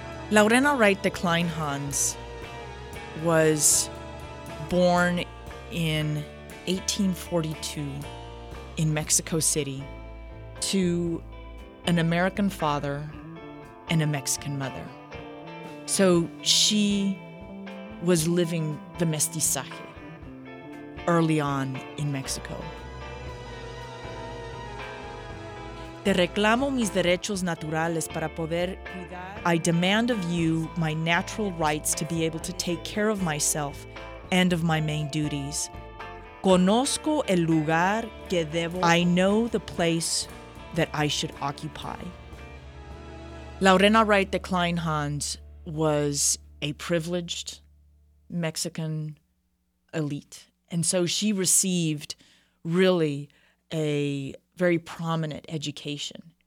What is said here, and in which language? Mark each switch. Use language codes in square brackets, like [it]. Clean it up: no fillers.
[en] Laurena Wright de Kleinhans was born in 1842 in Mexico City to an American father and a Mexican mother. So she was living the mestizaje early on in Mexico. [es] Te reclamo mis derechos naturales para poder cuidar. [en] I demand of you my natural rights to be able to take care of myself and of my main duties. [es] Conozco el lugar que debo. [en] I know the place that I should occupy. Laurena Wright de Kleinhans was a privileged Mexican elite. And so she received really a very prominent education.